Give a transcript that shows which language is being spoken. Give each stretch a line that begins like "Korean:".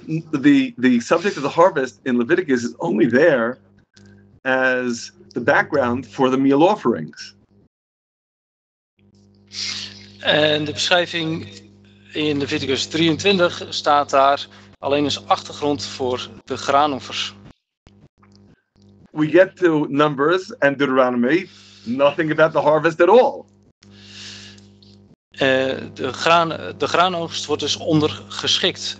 English: the subject of the harvest in Leviticus is only there as the background for the meal offerings.
Dutch: En de beschrijving in Leviticus 23 staat daar alleen als achtergrond voor de graanoffers.
English: We get to Numbers and Deuteronomy, nothing about the harvest at all.
Dutch: De graanoogst wordt dus ondergeschikt.